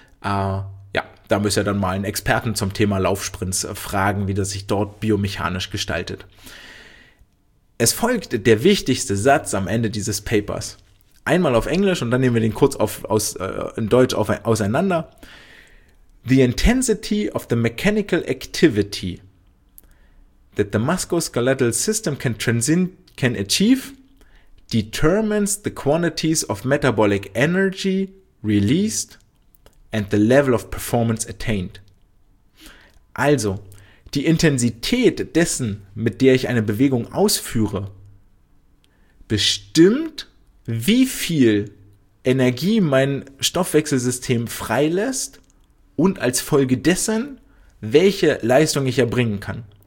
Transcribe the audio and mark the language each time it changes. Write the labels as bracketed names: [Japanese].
[German] Ja, da müsst ihr dann mal einen Experten zum Thema Laufsprints fragen, wie das sich dort biomechanisch gestaltet. Es folgt der wichtigste Satz am Ende dieses Papers. Einmal auf Englisch und dann nehmen wir den kurz auseinander. [English] The intensity of the mechanical activity that the musculoskeletal system can achieve determines the quantities of metabolic energy released and the level of performance attained. [German] Also, die Intensität dessen, mit der ich eine Bewegung ausführe, bestimmt, wie viel Energie mein Stoffwechselsystem freilässt und als Folge dessen, welche Leistung ich erbringen kann.